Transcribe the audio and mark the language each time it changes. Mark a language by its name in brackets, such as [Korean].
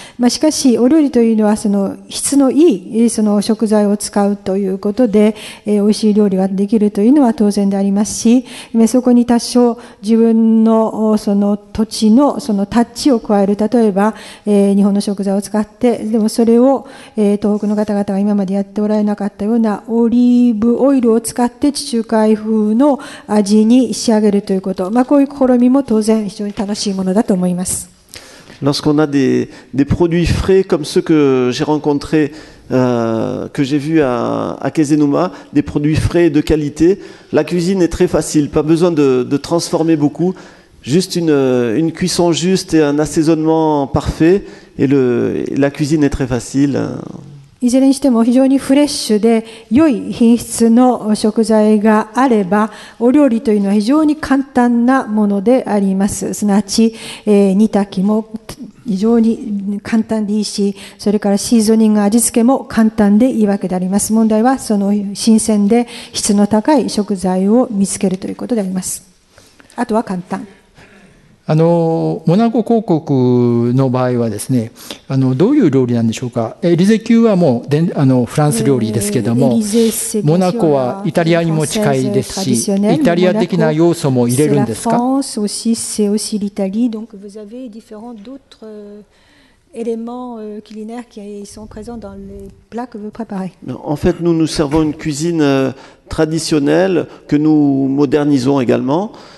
[Japanese] まあ、しかし、お料理というのはその質のいいその食材を使うということで、美味しい料理ができるというのは当然でありますし、そこに多少自分のその土地のそのタッチを加える、例えば、日本の食材を使ってでもそれを東北の方々が今までやっておられなかったようなオリーブオイルを使って地中海風の味に仕上げるということ、まあ、こういう試みも当然非常に楽しいものだと思います。 [French] Lorsqu'on a des produits frais comme ceux que j'ai rencontrés que j'ai vus à Kesenuma, des produits frais et de qualité, la cuisine est très facile, pas besoin de transformer beaucoup. Juste une cuisson juste et un assaisonnement parfait et la cuisine est très facile. [Japanese] いずれにしても非常にフレッシュで良い品質の食材があればお料理というのは非常に簡単なものであります。すなわち、煮炊きも非常に簡単でいいし、それからシーズニング味付けも簡単でいいわけであります。問題はその新鮮で質の高い食材を見つけるということであります。あとは簡単。モナコ公国の場合はですね、どういう料理なんでしょうか。エリゼ宮はもうフランス料理ですけども、モナコはイタリアにも近いですし、イタリア的な要素も入れるんですか。 [French] フランス aussi c'est aussi l'Italie donc vous avez différents d'autres éléments culinaires qui sont présents dans les plats que vous préparez. En fait, nous servons une cuisine traditionnelle que nous modernisons également.